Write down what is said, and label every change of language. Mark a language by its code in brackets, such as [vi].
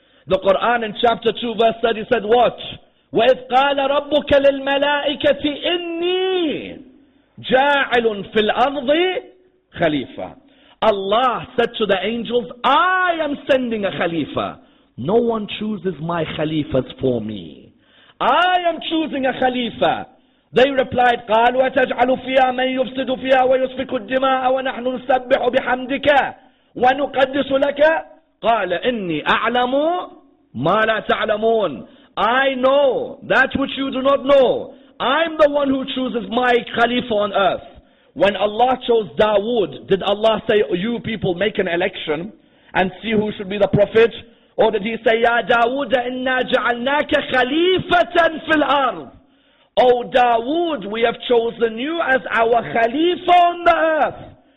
[en] The Quran in chapter 2 verse 30 said what? [ar] وَإِذْ قَالَ رَبُّكَ لِلْمَلَائِكَةِ إِنِّي جَاعِلٌ فِي الْأَرْضِ خَلِيفَةً [en] Allah said to the angels, I am sending a Khalifa. No one chooses my Khalifas for me. I am choosing a Khalifa. They replied, [ar] قَالُوا أَتَجْعَلُ فِيهَا مَنْ يُفْسِدُ فِيهَا وَيُسْفِكُ الدِّمَاءَ وَنَحْنُ نُسَبِّحُ بِحَمْدِكَ وَنُقَدِّسُ لَكَ قَالَ إِنِّي أَعْلَمُ مَا لَا تَعْلَمُونَ [en] I know that which you do not know. I'm the one who chooses my Khalifa on earth. When Allah chose Dawood, did Allah say, you people make an election and see who should be the prophet? Or did He say, [ar] يَا دَاوُودَ إِنَّا جَعَلْنَاكَ خَلِيفَةً فِي الْأَرْضِ [en] Oh Dawood, we have chosen you as our Khalifa on the earth.